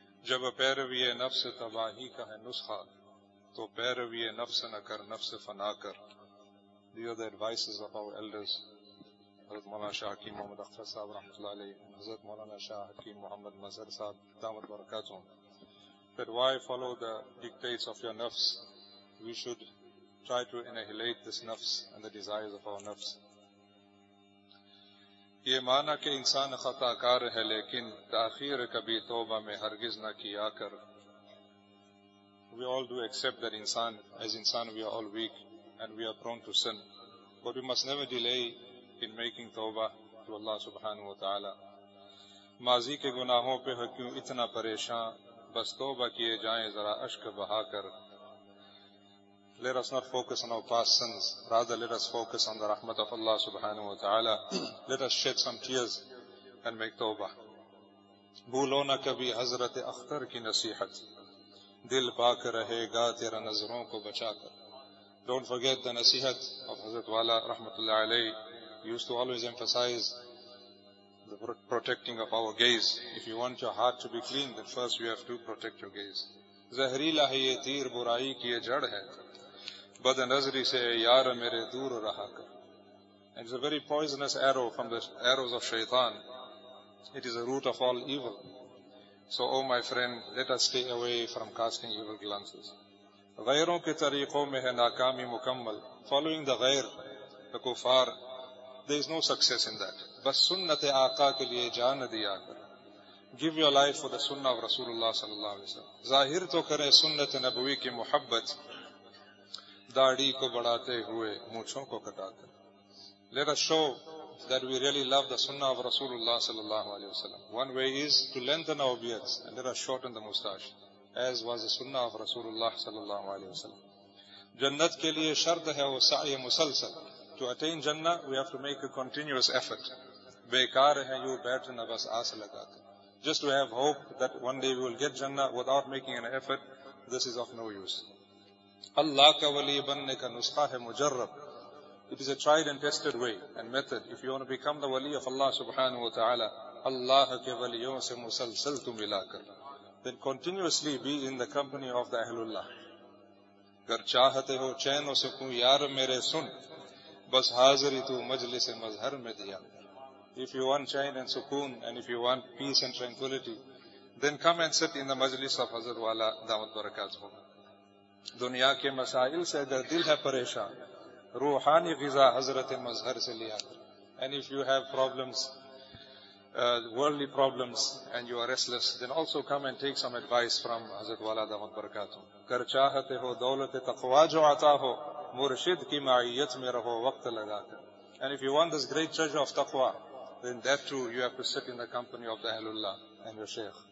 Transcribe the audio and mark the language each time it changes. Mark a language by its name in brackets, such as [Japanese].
[Urdu] جب پیروی نفس تباہی کا ہے نسخہ تو پیروی نفس نہ کر نفس فنا کر [English] These are the advices of our elders [Urdu] حضرت مولانا شاہ حکیم محمد اختر صاحب رحمت اللہ علیہ حضرت مولانا شاہ حکیم محمد مظہر صاحب دامت برکاتہم [English] But why follow the dictates of your nafs? We should try to annihilate this nafs and the desires of our nafs. [Urdu] یہ مانا کہ انسان خطا کار ہے لیکن تاخیر کبھی توبہ میں ہرگز نہ کیا کر [English] We all do accept that انسان as انسان we are all weak and we are prone to sin but we must never delay in making توبہ to Allah subhanahu wa ta'ala [Urdu] ماضی کے گناہوں پہ ہے کیوں اتنا پریشان بس توبہ کیے جائیں ذرا اشک بہا کر [English] Let us not focus on our past sins. Rather, let us focus on the rahmat of Allah subhanahu wa ta'ala. Let us shed some tears and make tawbah. [Urdu] بھولو نہ کبھی حضرت اختر کی نصیحت دل پاک رہے گا تیرا نظروں کو بچا کر [English] Don't forget the nasihat of Hazrat Wala rahmatullahi alayhi. He used to always emphasize the protecting of our gaze. If you want your heart to be clean, then first you have to protect your gaze. [Urdu] زہریلا ہے یہ تیر برائی کی جڑ ہے بد نظری سے یار میرے دور رہا کر [English] And it's a very poisonous arrow from the arrows of shaitan. It is the root of all evil. So, oh my friend, let us stay away from casting evil glances. [Urdu] غیروں کے طریقوں میں ہے ناکامی مکمل. [English] Following the غیر, the کفار, there is no success in that. [Urdu] بس سنت آقا کے لیے جان دیا کر. [English] Give your life for the sunnah of Rasulullah صلی اللہ علیہ وسلم. [Urdu] ظاہر تو کریں سنت نبوی کی محبت. داڑی کو بڑھاتے ہوئے مونچھوں کو کٹاتے [English] Let us show that we really love the sunnah of Rasulullah sallallahu alayhi wa sallam. One way is to lengthen our beards and let us shorten the mustache as was the sunnah of Rasulullah sallallahu alayhi wa sallam. [Urdu] Jannat ke liye shart hai wo sa'i musalsal. [English] To attain Jannah, we have to make a continuous effort. [Urdu] Bekar hai yu baitna bas aas lagate. [English] Just to have hope that one day we will get Jannah without making an effort, this is of no use. [Urdu] اللہ کا ولی بننے کا نسخہ ہے مجرب [English] It is a tried and tested way and method. If you want to become the wali of Allah subhanahu wa ta'ala, [Urdu] اللہ کے ولیوں سے مسلسل تو ملا کر. [English] Then continuously be in the company of the Ahlullah. [Urdu] اگر چاہتے ہو چین و سکون یار میرے سن, بس حاضری تو مجلس مظہر میں دیا. [English] If you want chain and sukoon and if you want peace and tranquility, then come and sit in the majlis of Hazrat Wala Daawat Barakat. [Urdu] دنیا کے مسائل سے اگر دل ہے پریشان, روحانی غذا حضرت مظہر سے لیا. [English] And if you have problems, worldly problems, and you are restless, then also come and take some advice from Hazrat Wala Daawat Barakat. [Urdu] اگر چاہتے ہو دولت تقوی جو عطا ہو, مرشد کی معیت میں رہو وقت لگا کر. [English] And if you want this great treasure of taqwa, then that too you have to sit in the company of the Ahlullah and your Shaykh.